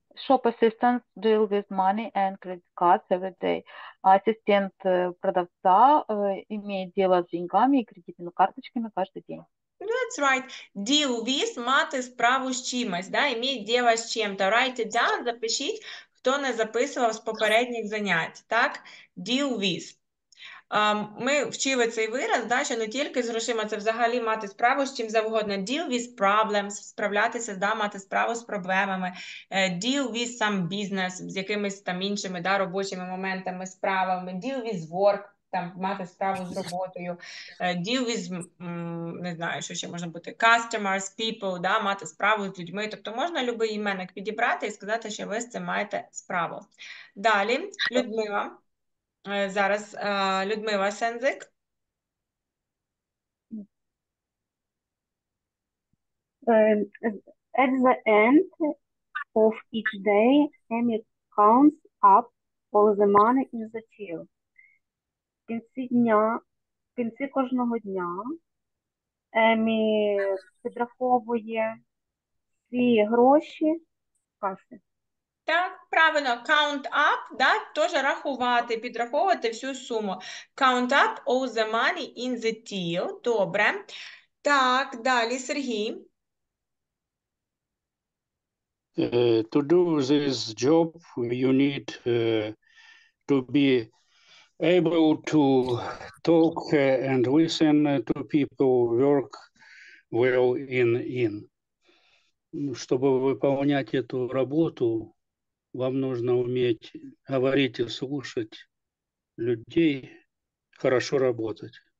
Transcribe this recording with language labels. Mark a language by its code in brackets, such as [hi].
[en] Shop assistants deal with money and credit cards every day. [ru] Ассистент продавца имеет дело с деньгами и кредитными карточками каждый день. [en] That's right. Deal with [uk] – мати справу з чимось, да? [ru] Имеет дело з чим-то. [en] Write it down, [uk] запишіть, хто не записував з попередніх занять. Так? [en] Deal with. [uk] Ми вчили цей вираз, да, що не тільки з грошима, це взагалі мати справу з чим завгодно. [en] Deal with problems, [uk] справлятися, да, мати справу з проблемами. [en] Deal with some business, [uk] з якимись там іншими, да, робочими моментами, справами. [en] Deal with work, [uk] там, мати справу з роботою. Deal with, не знаю, що ще можна бути, [en] customers, people, [uk] да, мати справу з людьми. Тобто можна любий іменник підібрати і сказати, що ви з цим маєте справу. Далі, Людмила. Зараз Людмила Сензик. [en] At the end of each day, Amy counts up коли замани і затіл. [uk] В кінці дня, в кінці кожного дня Емі підраховує всі гроші в каси. Так, правильно, [en] count up, [uk] да, теж рахувати, підраховувати всю суму. [en] Count up all the money in the till. [uk] Добре. Так, далі, Сергій. [en] To do this job, you need to be able to talk and listen to people, work well in. [ru] Чтобы выполнять эту работу, вам нужно уметь говорить и слушать людей, хорошо работать.